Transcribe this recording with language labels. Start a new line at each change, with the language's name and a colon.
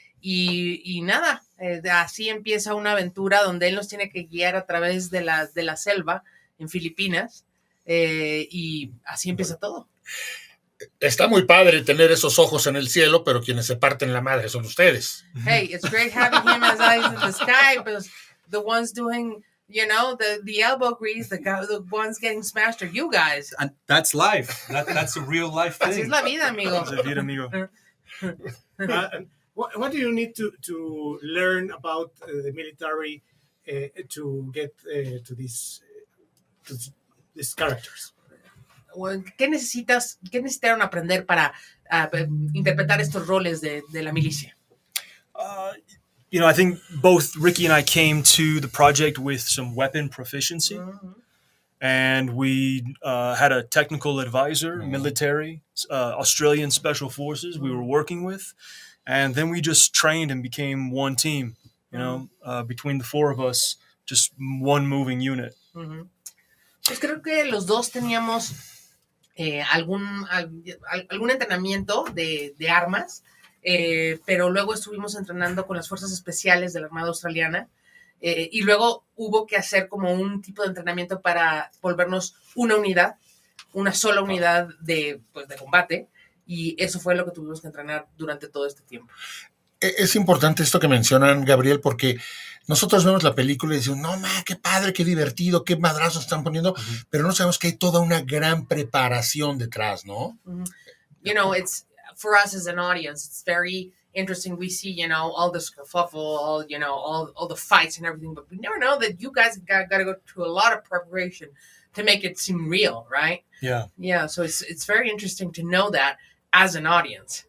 Spanish: Y nada, así empieza una aventura donde él nos tiene que guiar a través de la selva en Filipinas. Y así empieza todo. Está muy padre tener esos ojos en el cielo, pero quienes se parten la madre son ustedes.
English: Hey, it's great having him as eyes in the sky, but the ones doing, you know, the elbow grease, the ones getting smashed are you guys. And that's life. That's a real life thing.
Spanish: Es la vida, amigo. Es la vida, amigo.
English: What do you need to learn about the military to get to these characters?
Spanish: ¿Qué necesitaron aprender para interpretar estos roles de la milicia?
English: You know, I think both Ricky and I came to the project with some weapon proficiency. And we had a technical advisor, military, Australian Special Forces we were working with. And then we just trained and became one team, you know, between the four of us, just one moving unit.
Spanish: Pues creo que los dos teníamos... algún entrenamiento de armas, pero luego estuvimos entrenando con las fuerzas especiales de la Armada Australiana y luego hubo que hacer como un tipo de entrenamiento para volvernos una unidad, una sola unidad de, pues, de combate, y eso fue lo que tuvimos que entrenar durante todo este tiempo. Es importante esto que mencionan, Gabriel, porque nosotros vemos la película y decimos, no, ma, qué padre, qué divertido, qué madrazos están poniendo, pero no sabemos que hay toda una gran preparación detrás, ¿no?
English: You know, it's, for us as an audience, it's very interesting. We see, you know, all the scuffle, all, you know, all the fights and everything, but we never know that you guys got to go through a lot of preparation to make it seem real, right? Yeah. Yeah, so it's very interesting to know that as an audience.